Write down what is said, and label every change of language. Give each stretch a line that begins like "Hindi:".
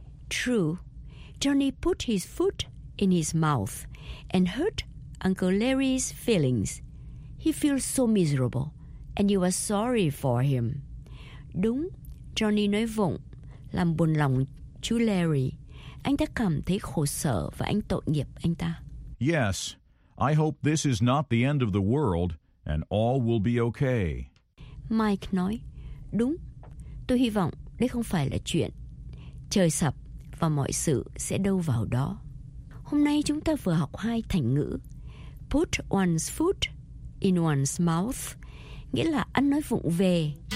English: True, Johnny put his foot in his mouth and hurt Uncle Larry's feelings. He feels so miserable, and you are sorry for him.
Vietnamese: Đúng, Johnny nói vụng, làm buồn lòng chú Larry. Anh ta cảm thấy khổ sở và anh tội nghiệp anh ta.
English: Yes. I hope this is not the end of the world and all will be okay.
Vietnamese: Mike nói, đúng, tôi hy vọng đây không phải là chuyện trời sập và mọi sự sẽ đâu vào đó. Hôm nay chúng ta vừa học hai thành ngữ. Put one's foot in one's mouth, nghĩa là ăn nói vụng về.